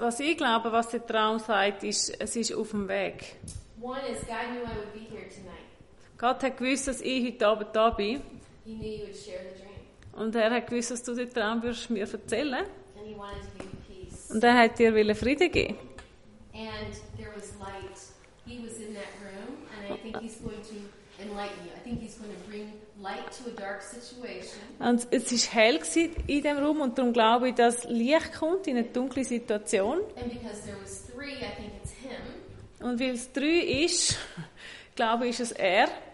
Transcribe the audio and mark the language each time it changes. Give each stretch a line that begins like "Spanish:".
German: Was ich glaube, was der Traum sagt, ist, es ist auf dem Weg.
English: One is God knew I would be here tonight.
German: Gott hat gewusst, dass ich heute Abend da bin.
English: He knew you would share the dream.
German: Und er hat gewusst, dass du den Traum wirst mir erzählen.
English: And he wanted to be
German: und er hat dir wollen Frieden geben.
English: And there was light. He was in that room and I think he's going to enlighten you. I think he's going to bring light to a dark situation.
German: Und es ist hell gsi in dem Raum und darum glaube ich, dass Licht kommt in eine dunkle Situation.
English: And because there was three, I think it's him.
German: Und weil es drei ist, glaube ich, ist es er.